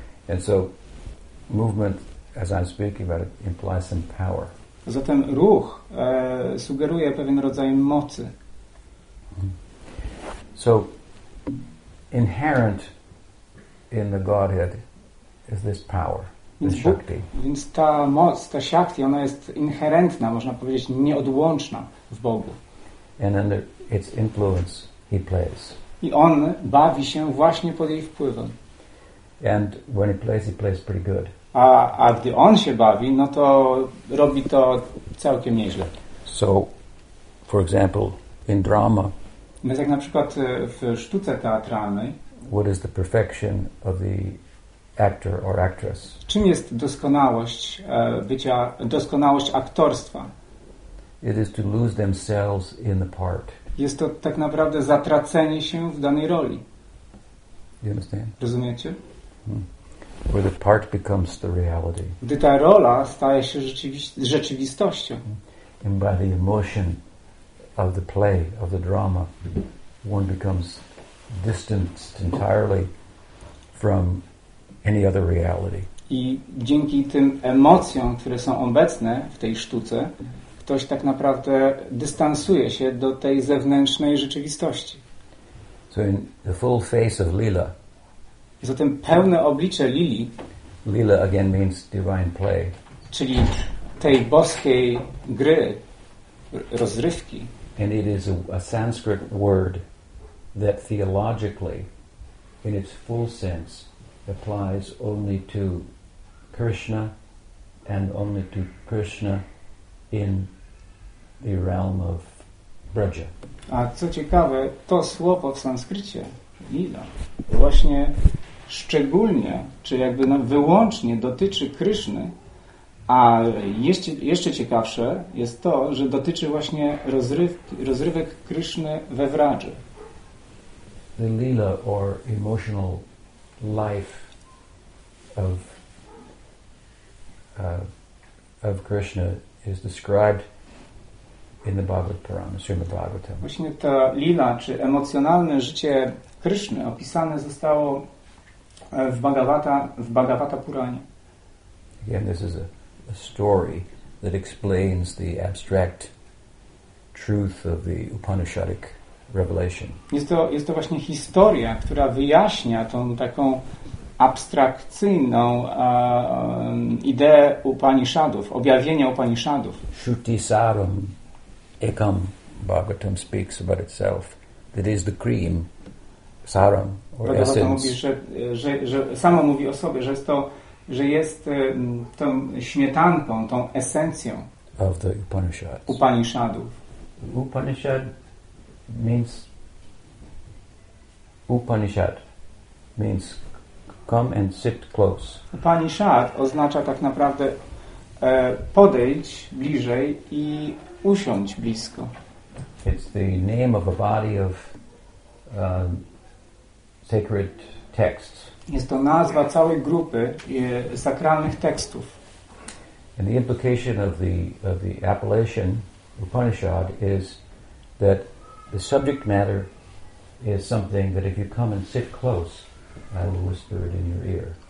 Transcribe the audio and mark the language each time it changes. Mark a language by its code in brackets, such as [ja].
[en] And so, movement, as I'm speaking about it, implies some power. [pl] Zatem ruch sugeruje pewien rodzaj mocy. [en] So, inherent in the Godhead is this power, this shakti. [pl] Więc ta moc, ta shakti, ona jest inherentna, można powiedzieć, nieodłączna w Bogu. [en] And under its influence, he plays. [pl] I on bawi się właśnie pod jej wpływem. [en] And when he plays pretty good. [pl] A gdy on się bawi, no to robi to całkiem nieźle. [en] So, for example, in drama. [pl] My tak na przykład w sztuce teatralnej. [en] What is the perfection of the actor or actress? [pl] Czym jest doskonałość bycia, doskonałość aktorstwa? [en] It is to lose themselves in the part. [pl] Jest to tak naprawdę zatracenie się w danej roli. [en] You understand? [pl] Rozumiecie? [en] Where the part becomes the reality. [pl] Gdy ta rola staje się rzeczywistością. [en] And by the emotion of the play, of the drama, one becomes distanced entirely from any other reality. [pl] I dzięki tym emocjom, które są obecne w tej sztuce, ktoś tak naprawdę dystansuje się do tej zewnętrznej rzeczywistości. [en] So in the full face of Lila. [pl] Zatem pełne oblicze Lili. [en] Lila again means divine play. [pl] Czyli tej boskiej gry, rozrywki. [en] And it is a Sanskrit word that theologically, in its full sense, applies only to Krishna and only to Krishna in the realm of Braja. [pl] A co ciekawe, to słowo w sanskrycie, Lila, właśnie szczególnie, czy jakby wyłącznie dotyczy Kryszny, a jeszcze ciekawsze jest to, że dotyczy właśnie rozrywek Kryszny we Wradży. [en] The lila or emotional life of Krishna is described in the Bhagavad Purana, Srimad Bhagavatam. [pl] Właśnie ta lila, czy emocjonalne życie Kryszny opisane zostało w Bhagavata Puranie. [en] Again, this is a story that explains the abstract truth of the Upanishadic revelation. [pl] Jest to właśnie historia, która wyjaśnia tą taką abstrakcyjną ideę Upanishadów, objawienia Upanishadów. [sa] Shruti Saram Ekam [en] Bhagavatam speaks about itself. That is the cream, Saram, or Bhagavata essence. [pl] Mówi, że samo mówi o sobie, że jest to, że jest tą śmietanką, tą esencją [en] of the Upanishads. [pl] Upanishadów. [en] Upanishad means Upanishad means come and sit close. [pl] Upanishad oznacza tak naprawdę podejdź bliżej i usiądź blisko. [en] It's the name of a body of sacred texts. [pl] Jest to nazwa całej grupy sakralnych tekstów. [en] And the implication of the appellation Upanishad is that the subject matter is something that if you come and sit close, I will whisper it in your ear.